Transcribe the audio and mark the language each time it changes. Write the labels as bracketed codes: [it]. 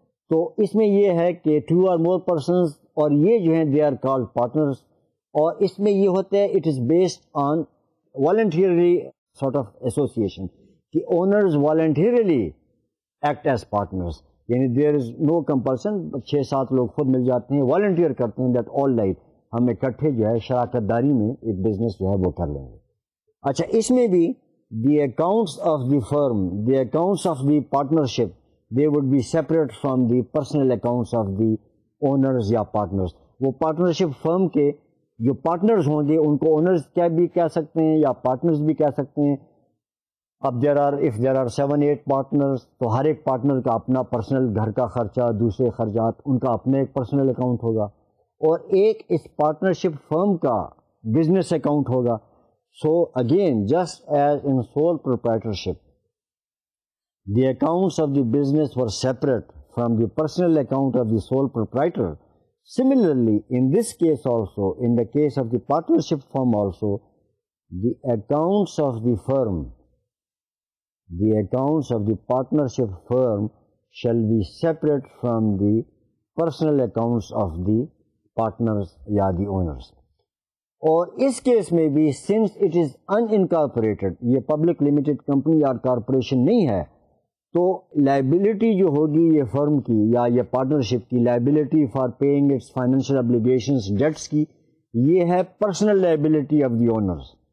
[ur] تو اس میں یہ ہے کہ ٹو آر مور پرسنز اور یہ جو ہیں دے آر کالڈ پارٹنرز, اور اس میں یہ ہوتا ہے [en] it is based on voluntarily sort of association, [ur] کہ owners voluntarily act as partners, یعنی [en] there is no compulsion, [ur] چھ سات لوگ خود مل جاتے ہیں والنٹیئر کرتے ہیں دیٹ آل رائٹ ہم اکٹھے جو ہے شراکت داری میں ایک بزنس جو ہے وہ کر لیں گے. [en] اچھا اس میں بھی the accounts of the firm, the accounts of the partnership, they would be separate from the personal accounts of the owners [ur] یا پارٹنرز. وہ پارٹنرشپ فرم کے جو پارٹنرز ہوں گے ان کو اونرز کیا بھی کہہ سکتے ہیں یا پارٹنرز بھی کہہ سکتے ہیں. اب there are if there are seven eight partners تو ہر ایک پارٹنر کا اپنا پرسنل گھر کا خرچہ, دوسرے خرچات, ان کا اپنا ایک پرسنل اکاؤنٹ ہوگا, اور ایک اس پارٹنرشپ فرم کا بزنس اکاؤنٹ ہوگا. [en] So again just as in sole proprietorship the accounts of the business were separate from the personal account of the sole proprietor, similarly in this case also in the case of the partnership firm also the accounts of the firm the accounts of the partnership firm shall be separate from the personal accounts of the partners یا the owners. [ur] اور اس case میں بھی since it is in incorporated, یہ public limited company یا corporation نہیں ہے, تو liability جو ہوگی یہ فرم کی یا یہ پارٹنرشپ کی, [en] liability for paying its financial obligations [ur] dates کی, یہ ہے personal liability of the owners.